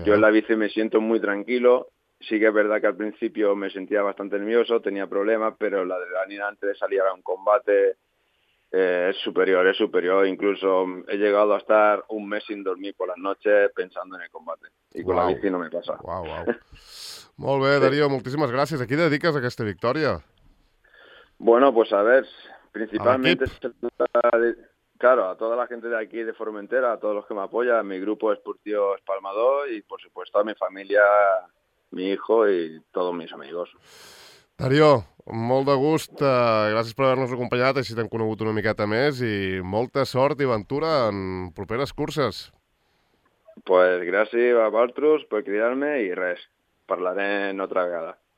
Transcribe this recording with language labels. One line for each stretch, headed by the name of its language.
Spanish: Yo en la bici me siento muy tranquilo. Sí que es verdad que al principio me sentía bastante nervioso, tenía problemas, pero la adrenalina antes de salir a un combate es superior, es superior. Incluso he llegado a estar un mes sin dormir por las noches pensando en el combate. Y con la bici no me pasa.
Catalan: wow. Molt bé, Sí. Darío, moltíssimes gràcies. A qui dediques aquesta victòria?
Spanish: Bueno, pues a ver,
Catalan: A l'equip?
Spanish: principalmente, claro, a toda la gente de aquí de Formentera, a todos los que me apoyan, mi grupo Esportivo Espalmador y, por supuesto, a mi familia, mi hijo y todos mis amigos.
Catalan: Darío, molt de gust. Gràcies per haver-nos acompanyat, així t'hem conegut una miqueta més i molta sort i aventura en properes curses.
Spanish: Pues gracias a vosotros por criarme y
Catalan: res, parlaré
Spanish: en otra vegada.